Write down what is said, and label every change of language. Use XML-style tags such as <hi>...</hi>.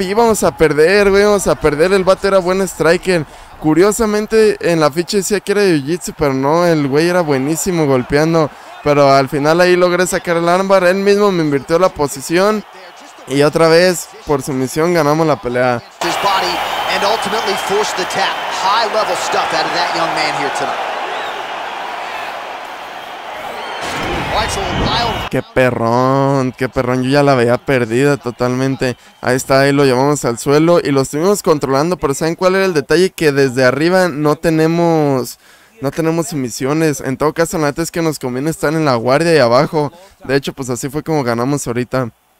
<es>Y íbamos a perder, güey. Íbamos a perder. El vato era buen striker. Curiosamente, en la ficha decía que era jiu-jitsu, pero no, el güey era buenísimo golpeando. Pero al final ahí logré sacar el armbar. Él mismo me invirtió la posición. Y otra vez, por sumisión, ganamos la pelea.</es> <en>High level stuff out of that young man here tonight.</en> <es>Qué perrón, yo ya la veía perdida totalmente. Ahí está, ahí lo llevamos al suelo y lo estuvimos controlando, pero ¿saben cuál era el detalle? Que desde arriba no tenemos sumisiones. En todo caso, la neta es que nos conviene estar en la guardia y abajo. De hecho, pues así fue como ganamos ahorita.</es>